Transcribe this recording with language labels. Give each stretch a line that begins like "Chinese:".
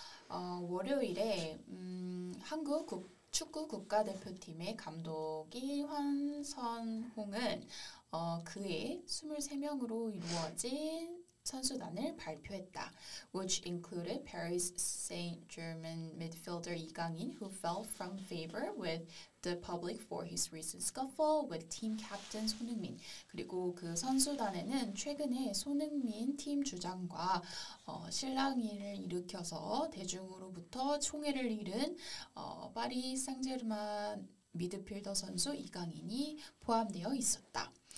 Korean: 월요일에 한국 축구 국가대표팀의 감독이 황선홍은 그의 23명으로 이루어진 선수단을 발표했다.
English: Which included Paris Saint-Germain midfielder Lee Kang-in, who fell from favor with the public for his recent scuffle with team captain Son Heung-min.
Korean: 그리고 그 선수단에는 최근에 Son Heung-min 팀 주장과 실랑이를 일으켜서 대중으로부터 총애를 잃은 파리 생제르만 미드필더 선수 이강인이 포함되어 있었다.